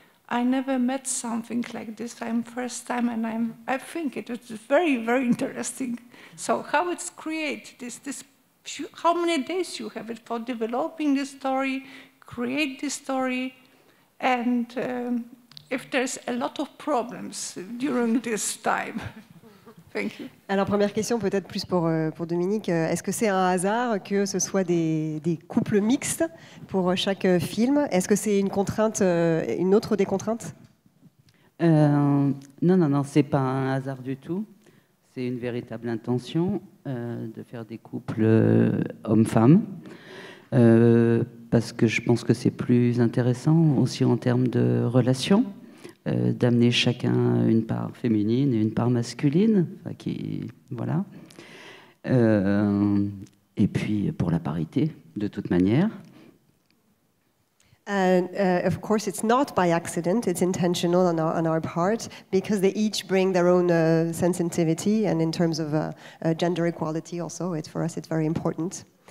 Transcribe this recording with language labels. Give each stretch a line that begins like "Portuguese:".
English: I never met something like this. I'm first time, and I think it is very, very interesting. So how it's create this how many days you have it for developing the story, create the story, and if there's a lot of problems during this time. Thank you.
French: Alors première question peut-être plus pour Dominique, est-ce que c'est un hasard que ce soit des couples mixtes pour chaque film? Est-ce que c'est une contrainte, une autre des contraintes? Non, c'est pas un hasard du tout. C'est une véritable intention de faire des couples hommes-femmes, parce que je pense que c'est plus intéressant aussi en termes de relations, d'amener chacun une part féminine et une part masculine, qui, voilà. Et puis pour la parité, de toute manière.
English: Of course, it's not by accident. It's intentional on our part, because they each bring their own sensitivity, and in terms of gender equality, also, it's for us, it's very important.